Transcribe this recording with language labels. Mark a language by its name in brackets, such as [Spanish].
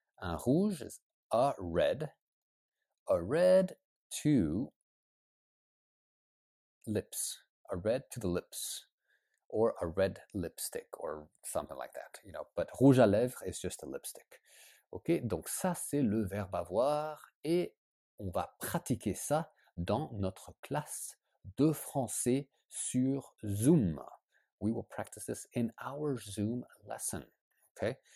[French] Un rouge [English] is a red to lips, a red to the lips, or a red lipstick, or something like that, you know, but [French] rouge à lèvres [English] is just a lipstick. [French] Ok, donc ça c'est le verbe avoir, et on va pratiquer ça dans notre classe de français sur Zoom. [English] We will practice this in our Zoom lesson, ok?